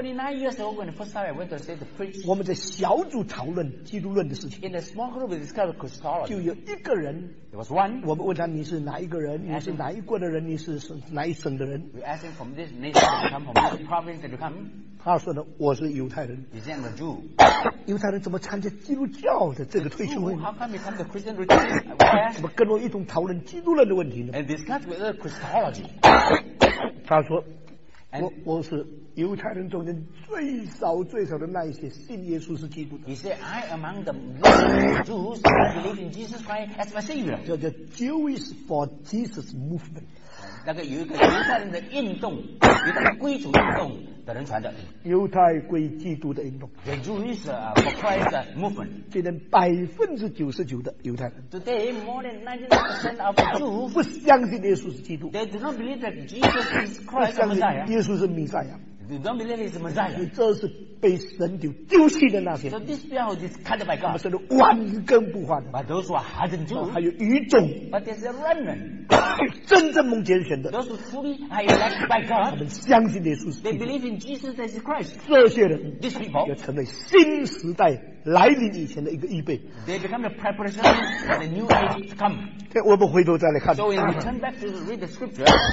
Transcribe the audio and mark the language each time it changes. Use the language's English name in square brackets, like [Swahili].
[English] 29 years ago when the first time I went to the state to preach [Chinese] 我们在小组讨论基督论的事情 [English] in a small group we discussed Christology [Chinese] 就有一个人 [English] there was one [Chinese] 我们问他你是哪一个人你是哪一国的人你是哪一省的人 [English] we asked him from this nation to come from this province to come [Chinese] 他说的我是犹太人 [English] he's a Jew [Chinese] 犹太人怎么参加基督教的这个退休会 [English] how come he come to Christian retreat [Chinese] 怎么跟我一同讨论基督论的问题呢 [English] and discuss with us Christology [Chinese] 他说 我是犹太人中间最少最少的那一些信耶稣是基督的 [English] He said I among the Jews believe in Jesus Christ as my Savior [Chinese] 叫做 [English] Jewish for Jesus movement [Chinese] 那个有一个犹太人的运动犹太归主运动的人传的犹太归基督的运动 [English] The Jewish for Christ movement [Chinese] 今天99%的犹太人 [English] Today more than 99% of Jews [Chinese] 不相信耶稣是基督 [English] They do not believe that Jesus is Christ [Chinese] 不相信耶稣是弥赛亚 [English] You don't believe he's the Messiah. [Chinese] 这是被神丢丢弃的那些。 [English] So this people is cut by God. [Chinese] 他们是顽根不化的。 [English] But those who are hardened too. [Chinese] 还有余种。 [English] But there's a remnant. [Chinese] 真正蒙拣选的。 [English] Those who truly are elected by God. [Chinese] 他们相信耶稣是。 [English] They believe in Jesus as Christ. [Chinese] 这些人。 [English] These people. [Chinese] 要成为新时代来临以前的一个预备。 [English] They become the preparation for the new age to come. [Chinese] 对，我们回头再来看。 [English] So when we turn back to read the scripture.